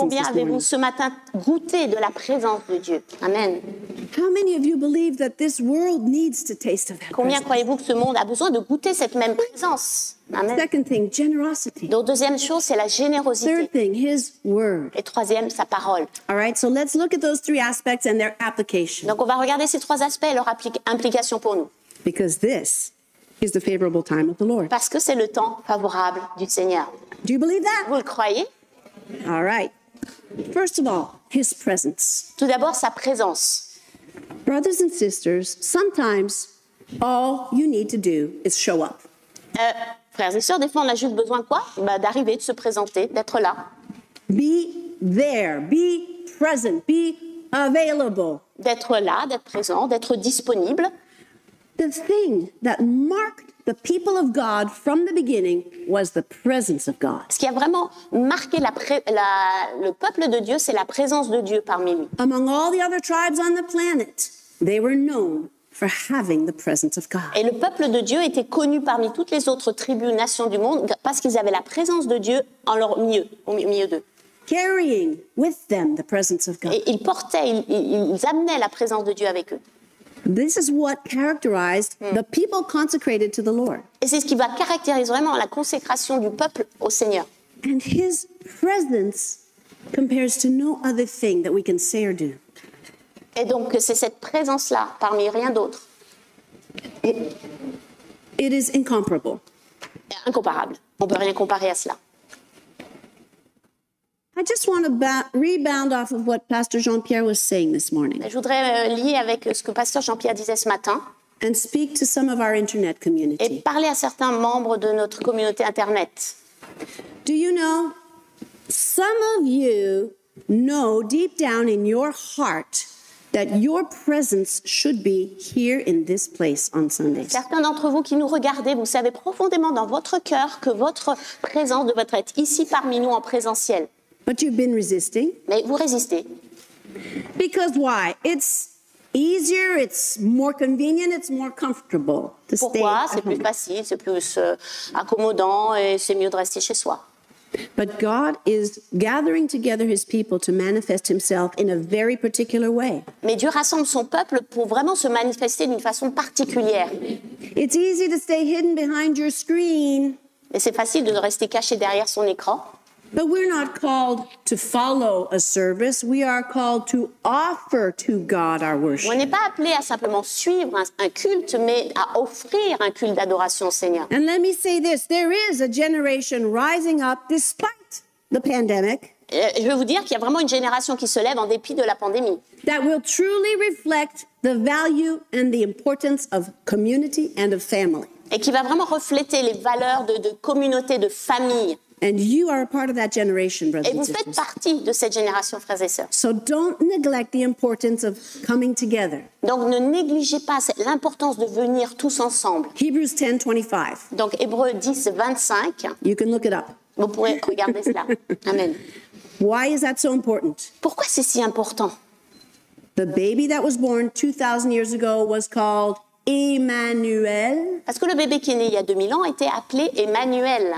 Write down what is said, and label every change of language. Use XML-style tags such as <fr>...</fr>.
<fr>Combien avez-vous ce matin goûté de la présence de Dieu? Amen.</fr> <en>How many of you believe that this world needs to taste of that?</en> <fr>Combien croyez-vous que ce monde a besoin de goûter cette même présence? Amen.</fr> <en>Second thing, generosity.</en> <fr>Donc deuxième chose, c'est la générosité.</fr> <en>Third thing, His word.</en> <fr>Et troisième, sa parole.</fr> <en>All right, so let's look at those three aspects and their application.</en> <fr>Donc on va regarder ces trois aspects et leur implication pour nous.</fr> <en>Because this is the favorable time of the Lord.</en> <fr>Parce que c'est le temps favorable du Seigneur.</fr> <en>Do you believe that?</en> <fr>Vous le croyez?</fr> <en>All right. First of all, His presence.</en> <fr>Tout d'abord, sa présence.</fr> <en>Brothers and sisters, sometimes all you need to do is show up.</en> <fr>Frères et sœurs, des fois, on a juste besoin de quoi? Bah, d'arriver, de se présenter, d'être là.</fr> <en>Be there. Be present. Be available.</en> <fr>D'être là, d'être présent, d'être disponible.</fr> <en>The thing that marked the people of God from the beginning was the presence of God.</en> <fr>Ce qui a vraiment marqué le peuple de Dieu, c'est la présence de Dieu parmi nous.</fr> <en>Among all the other tribes on the planet, they were known for having the presence of God.</en> <fr>Et le peuple de Dieu était connu parmi toutes les autres tribus, nations du monde parce qu'ils avaient la présence de Dieu en leur milieu, au milieu d'eux.</fr> <en>Carrying with them the presence of God.</en> <fr>Et ils portaient, ils amenaient la présence de Dieu avec eux.</fr> <en>This is what characterized the people consecrated to the Lord.</en> <fr>Et c'est ce qui va caractériser vraiment la consécration du peuple au Seigneur.</fr> <en>And His presence compares to no other thing that we can say or do.</en> <fr>Et donc c'est cette présence-là parmi rien d'autre.</fr> <en>It is incomparable.</en> <fr>Incomparable. On ne peut rien comparer à cela.</fr> <en>I just want to rebound off of what Pastor Jean-Pierre was saying this morning.</en> <fr>Je voudrais lier avec ce que Pasteur Jean-Pierre disait ce matin.</fr> <en>And speak to some of our internet community.</en> <fr>Et parler à certains membres de notre communauté internet.</fr> <en>Do you know, some of you know deep down in your heart that your presence should be here in this place on Sundays.</en> <fr>Certains d'entre vous qui nous regardez, vous savez profondément dans votre cœur que votre présence devrait être ici parmi nous en présentiel.</fr> <en>But you've been resisting.</en> <fr>Mais vous résistez.</fr> <en>Because why? It's easier, it's more convenient, it's more comfortable to</en> <fr>Pourquoi?</fr> <en>Stay at</en> <fr>Pourquoi? C'est plus facile, c'est plus accommodant et c'est mieux de rester chez soi.</fr> <en>But God is gathering together his people to manifest himself in a very particular way.</en> <fr>Mais Dieu rassemble son peuple pour vraiment se manifester d'une façon particulière.</fr> <en>It's easy to stay hidden behind your screen.</en> <fr>Et c'est facile de rester caché derrière son écran.</fr> <en>But we're not called to follow a service, we are called to offer to God our worship.</en> <fr>On n'est pas appelé à simplement suivre un culte, mais à offrir un culte d'adoration au Seigneur.</fr> <en>And let me say this, there is a generation rising up despite the pandemic.</en> <fr>Je veux vous dire qu'il y a vraiment une génération qui se lève en dépit de la pandémie.</fr> <en>That will truly reflect the value and the importance of community and of family.</en> <fr>Et qui va vraiment refléter les valeurs de communauté, de famille.</fr> <en>And you are a part of that generation, brothers and sisters.</en> <fr>Et vous faites partie de cette génération, frères et sœurs.</fr> <en>So don't neglect the importance of coming together.</en> <fr>Donc ne négligez pas l'importance de venir tous ensemble.</fr> <en>Hebrews 10, 25.</en> <fr>Donc Hébreux 10, 25.</fr> <en>You can look it up.</en> <fr>Vous pourrez regarder cela. Amen.</fr> <en>Why is that so important?</en> <fr>Pourquoi c'est si important?</fr> <en>The baby that was born 2,000 years ago was called Emmanuel.</en> <fr>Parce que le bébé qui est né il y a 2000 ans était appelé Emmanuel.</fr>